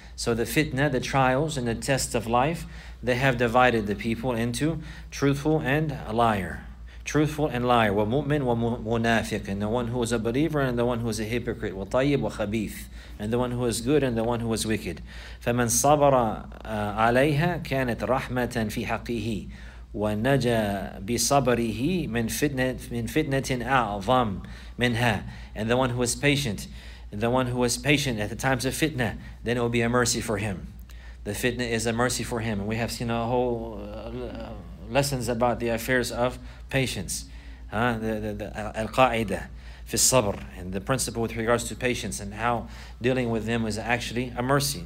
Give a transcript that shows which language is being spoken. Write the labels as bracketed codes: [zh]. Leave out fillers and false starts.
[en] So the fitna, the trials and the tests of life, they have divided the people into truthful and a liar. Truthful and liar. [ar] Wa mu'min wa munafiq. [en] And the one who is a believer and the one who is a hypocrite. [ar] Wa tayyib wa khabith. [en] And the one who is good and the one who is wicked. [ar] فَمَنْ صَبَرَ عَلَيْهَا كَانَتْ رَحْمَةً فِي حَقِّهِ وَنَجَى بِصَبَرِهِ مِنْ فِتْنَةٍ أَعْظَمْ مِنْهَا. [en] And the one who is patient the one who was patient at the times of fitna, then it will be a mercy for him. The fitna is a mercy for him. And we have seen a whole lessons about the affairs of patience. Al-Qa'ida fi sabr, and the principle with regards to patience and how dealing with them is actually a mercy.